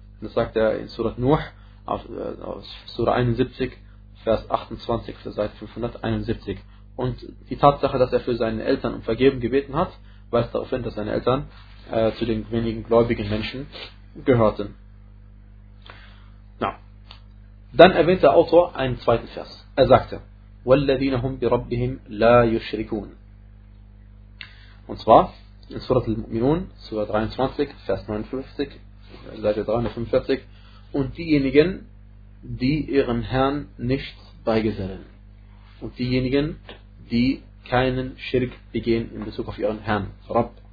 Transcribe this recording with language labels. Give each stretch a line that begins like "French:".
German: Das sagt er in Surat Nuh, aus Surah 71, Vers 28, Vers 571. Und die Tatsache, dass er für seine Eltern um Vergebung gebeten hat, weist darauf hin, dass seine Eltern zu den wenigen gläubigen Menschen gehörten. Na. Dann erwähnt der Autor einen zweiten Vers. Er sagte,
Arabic: وَالَّذِينَ هُمْ بِرَبِّهِمْ لَا يُشْرِكُونَ.
German: Und zwar in Surat al-Mu'minun, Surah 23, Vers 59, Seite 345, und diejenigen, die ihren Herrn nicht beigesellen. Und diejenigen, die keinen Schirk begehen in Bezug auf ihren Herrn, Rabb.